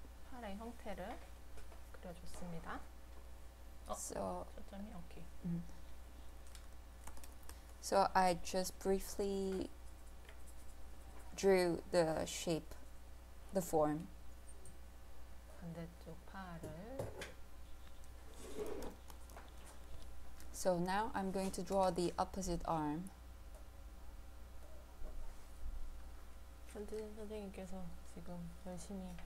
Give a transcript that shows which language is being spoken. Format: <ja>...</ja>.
<ko>팔의 형태를 그려줬습니다.</ko> <en>So I just briefly drew the shape, the form.</en> <ko>반대쪽 팔을.</ko> <en>So now I'm going to draw the opposite arm.</en> <ko>현진 선생님께서 지금 열심히</ko>